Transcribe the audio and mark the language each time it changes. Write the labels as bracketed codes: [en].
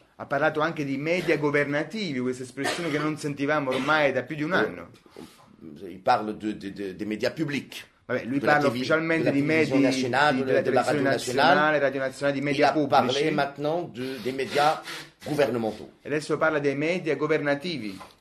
[it] Ha parlato anche di media governativi, questa espressione che non sentivamo ormai da più di un anno. [fr] Il parle de médias publics. [it] Vabbè, lui parla ufficialmente di media della radio nazionale, di media pubblici. [fr] Parlé maintenant des médias gouvernementaux. [it] E adesso parla dei media governativi.